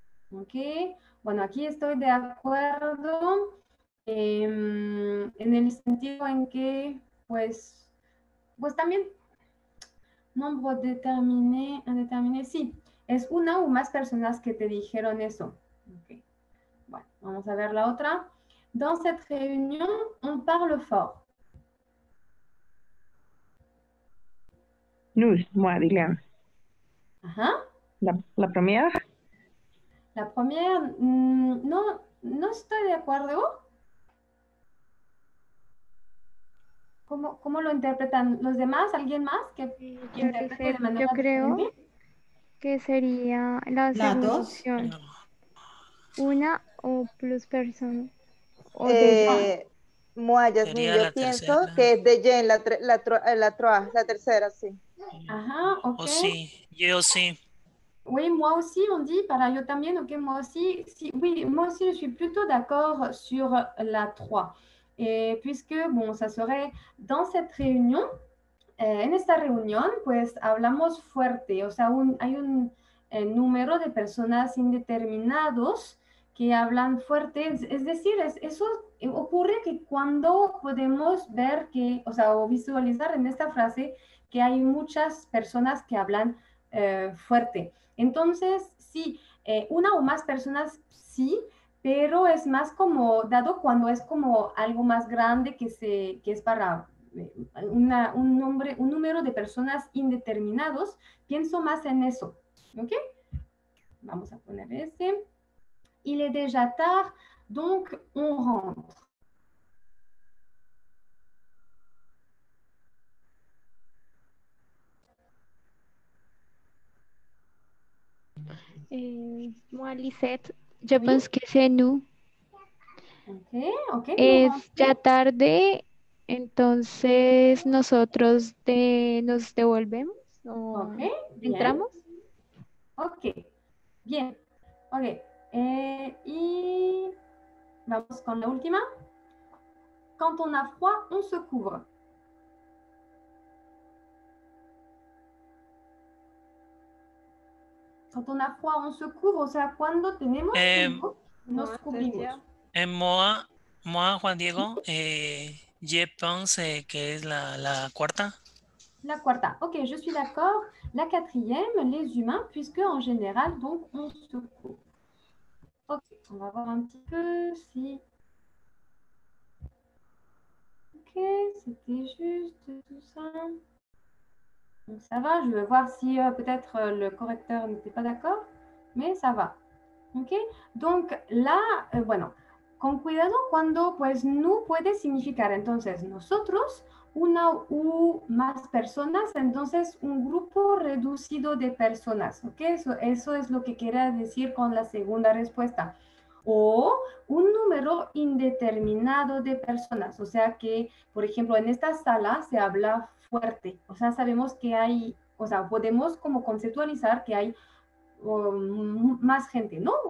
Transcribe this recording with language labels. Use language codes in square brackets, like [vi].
[es] Ok, bueno, aquí estoy de acuerdo en el sentido en que, pues también, nombre determiné, indeterminé, sí. Es una o más personas que te dijeron eso. Okay. Bueno, vamos a ver la otra. [fr] Dans cette réunion, on parle fort. Nous, moi, Dylan. [es] Ajá. [fr] La première. La première, [es] no estoy de acuerdo. ¿Cómo lo interpretan los demás? ¿Alguien más que interprete de manera yo creo. Diferente? ¿Qué sería la segunda opción? ¿Una o plus persona? Moa, Yasmin, yo pienso tercera. Que es de Jen, la tercera, sí. Ajá, ok. O sí, yo sí. [fr] Oui, moi aussi, on dit, [es] para yo también, [fr] ok, moi aussi. Sí, oui, moi aussi, je suis plutôt d'accord sur la 3. Puisque, bon, ça serait dans cette réunion. [es] En esta reunión, pues, hablamos fuerte, o sea, hay un número de personas indeterminados que hablan fuerte, es decir, eso ocurre que cuando podemos ver que, o sea, o visualizar en esta frase que hay muchas personas que hablan fuerte. Entonces, sí, una o más personas, sí, pero es más como, dado cuando es como algo más grande que es para... un número de personas indeterminados, pienso más en eso. ¿Ok? Vamos a poner ese. [fr] Il est déjà tard, donc on rentre. Moi, Lisette, je pense que c'est nous. Ok, ok. [es] Es ya tarde. Entonces, ¿nosotros nos devolvemos o okay, entramos? Ok, bien. Ok, y vamos con la última. [fr] Quand on a froid, on se couvre. Quand on a froid, on se couvre. [es] O sea, cuando tenemos frío, nos cubrimos. [fr] Moi, Juan Diego, je pense que [es] es la cuarta. La cuarta, [fr] ok, je suis d'accord. La quatrième, les humains, puisque en général, donc, on se couvre. Ok, on va voir un petit peu si... Ok, c'était juste tout ça. Donc, ça va, je vais voir si peut-être le correcteur n'était pas d'accord, mais ça va. Ok, donc là, bueno... [es] Con cuidado cuando, pues, no puede significar, entonces, nosotros, una u más personas, entonces, un grupo reducido de personas, ¿ok? Eso es lo que quería decir con la segunda respuesta. O un número indeterminado de personas, o sea que, por ejemplo, en esta sala se habla fuerte, o sea, sabemos que hay, o sea, podemos como conceptualizar que hay más gente, ¿no?